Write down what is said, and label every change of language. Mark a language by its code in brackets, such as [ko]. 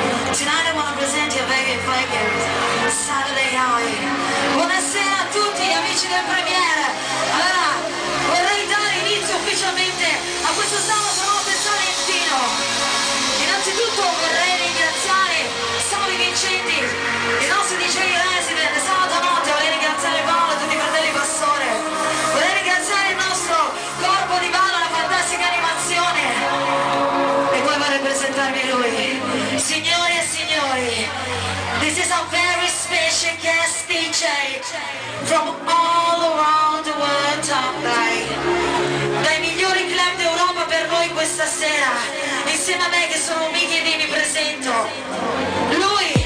[en] Tonight I want to present your very favorite Saturday night. [it] Buonasera a tutti gli amici del Premiere. Allora, vorrei dare inizio ufficialmente a questo sabato notte salentino. Innanzitutto vorrei ringraziare Sabi Vincenti, i nostri DJ resident. Sabato notte vorrei ringraziare Paolo e tutti i fratelli Passore. Vorrei ringraziare il nostro corpo di ballo, la fantastica animazione. E poi vorrei presentarvi lui. Signori e signori, [en] this is a very special guest DJ from all around the world top night. [it] Dai migliori club d'Europa per voi questa sera. Insieme a me che sono Miky e vi presento. Lui